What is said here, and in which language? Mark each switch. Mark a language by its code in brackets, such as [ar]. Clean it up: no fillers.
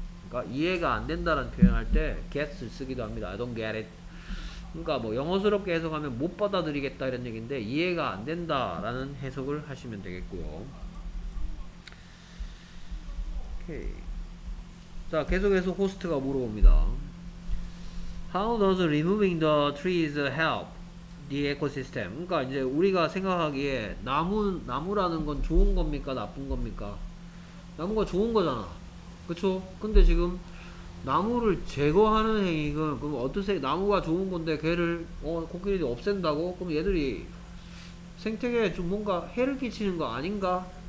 [ko] 그러니까 이해가 안 된다는 표현할 때 get을 쓰기도 합니다. [en] I don't get it. [ko] 그러니까 뭐 영어스럽게 해석하면 못 받아들이겠다 이런 얘기인데 이해가 안 된다라는 해석을 하시면 되겠고요. 오케이. 자, 계속해서 호스트가 물어봅니다. [en] How does removing the trees help the ecosystem? [ko] 그러니까 이제 우리가 생각하기에 나무라는 건 좋은 겁니까? 나쁜 겁니까? 나무가 좋은 거잖아. 그쵸? 근데 지금 나무를 제거하는 행위가 그럼 어떻게 나무가 좋은 건데 걔를 코끼리들이 없앤다고? 그럼 얘들이 생태계에 좀 뭔가 해를 끼치는 거 아닌가?